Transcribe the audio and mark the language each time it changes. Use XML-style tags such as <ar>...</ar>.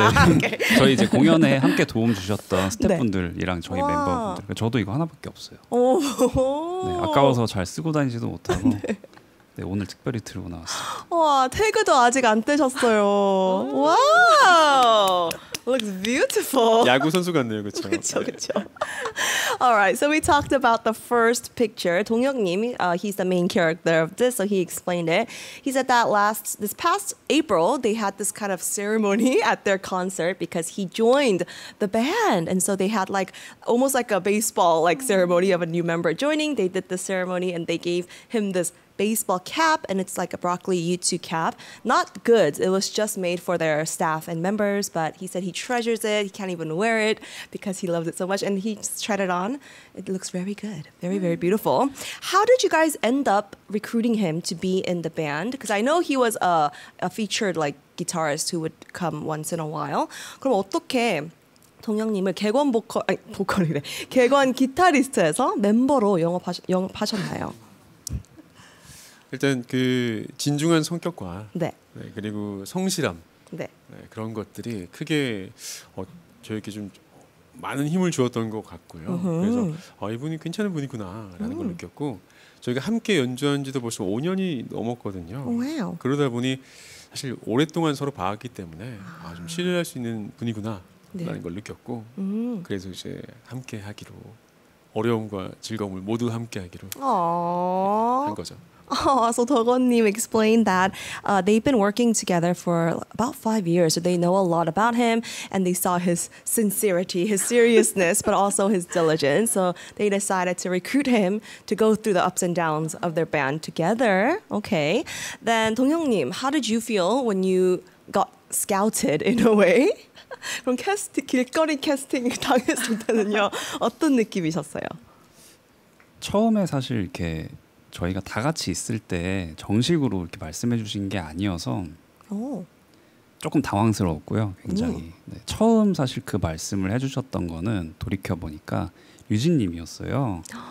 <ko>아, 저희 이제 공연에 함께 도움 주셨던 스태프분들이랑 네. 저희 와. 멤버분들 저도 이거 하나밖에 없어요. 네, 아까워서 잘 쓰고 다니지도 못하고 네. 네, 오늘 특별히 들고 나왔어요. 와, 태그도 아직 안 떼셨어요.</ko> <en>와! Looks beautiful.</en> <ko>야구 선수 같네요, 그렇죠? 그렇죠, 그렇죠.</ko> <en>All right, so we talked about the first picture. 동혁님, he's the main character of this, so he explained it. He said that this past April, they had this kind of ceremony at their concert because he joined the band. And so they had like almost like a baseball like ceremony of a new member joining. They did the ceremony and they gave him this baseball cap, and it's like a broccoli U2 cap. Not good. It was just made for their staff and members, but he said he treasures it. He can't even wear it because he loves it so much, and he just tried it on. It looks very good. Very, very beautiful. How did you guys end up recruiting him to be in the band? Because I know he was a featured like guitarist who would come once in a while.</en> <ko>그럼 어떻게 동혁님을 객원 보컬, 아니, 보컬이래. 객원 기타리스트에서 멤버로 영업하셨나요? 일단 그 진중한 성격과 네. 네, 그리고 성실함 네. 네, 그런 것들이 크게 저에게 좀 많은 힘을 주었던 것 같고요. 그래서 이분이 괜찮은 분이구나라는 걸 느꼈고 저희가 함께 연주한 지도 벌써 5년이 넘었거든요. 왜요? 그러다 보니 사실 오랫동안 서로 봐왔기 때문에 좀 신뢰할 수 있는 분이구나라는 네. 걸 느꼈고 그래서 이제 함께 하기로 어려움과 즐거움을 모두 함께 하기로 한 거죠.</ko> <en>So 덕원님 explained that they've been working together for about 5 years. So they know a lot about him and they saw his sincerity, his seriousness, but also his diligence. So they decided to recruit him to go through the ups and downs of their band together. Okay. Then 동혁님, how did you feel when you got scouted in a way?</en> <ko>그럼 캐스트, 길거리 캐스팅 당했을 때는요, 어떤 느낌이셨어요? 처음에 사실 이렇게 저희가 다 같이 있을 때 정식으로 이렇게 말씀해 주신 게 아니어서 조금 당황스러웠고요. 굉장히 네, 처음 사실 그 말씀을 해주셨던 거는 돌이켜 보니까 유진님이었어요.</ko>